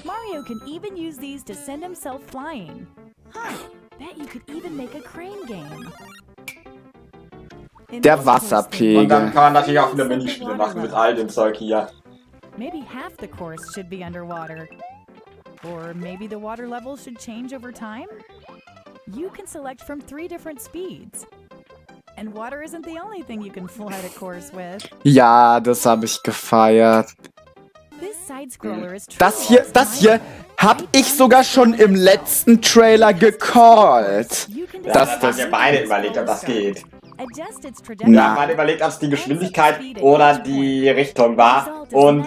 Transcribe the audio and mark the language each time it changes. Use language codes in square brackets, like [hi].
[en] Mario can even use these to send himself flying. Huh, bet you could even make a crane game. [de] Der Wasserpegel. Und dann kann man natürlich auch wieder Minispiele machen mit all dem Zeug hier. [en] Maybe half the course should be underwater. Or maybe the water level should change over time? You can select from three different speeds. And water isn't the only thing you can fly the course with. [de] Ja, das habe ich gefeiert. [en] This side-scroller is true. [de] Das hier hab ich sogar schon im letzten Trailer gecallt. Das haben wir beide überlegt, ob das geht. Na. Ich habe überlegt, ob es die Geschwindigkeit oder die Richtung war. Und